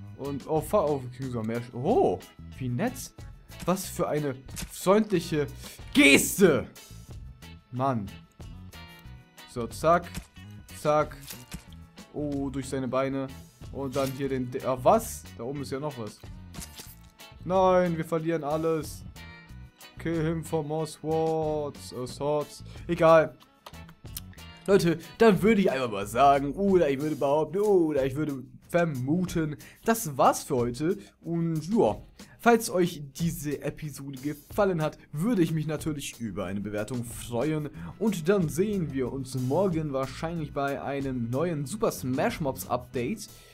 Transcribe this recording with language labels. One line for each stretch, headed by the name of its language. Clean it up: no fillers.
German: Und oh, wie nett. Was für eine freundliche Geste. Mann. So, zack. Zack. Oh, durch seine Beine. Und dann hier den... was? Da oben ist ja noch was. Nein, wir verlieren alles.
English: Kill him for more swords.
German: Swords. Egal. Leute, dann würde ich einfach mal sagen, oder ich würde behaupten, oder ich würde vermuten, das war's für heute. Und ja, falls euch diese Episode gefallen hat, würde ich mich natürlich über eine Bewertung freuen. Und dann sehen wir uns morgen wahrscheinlich bei einem neuen Super Smash Mobs Update.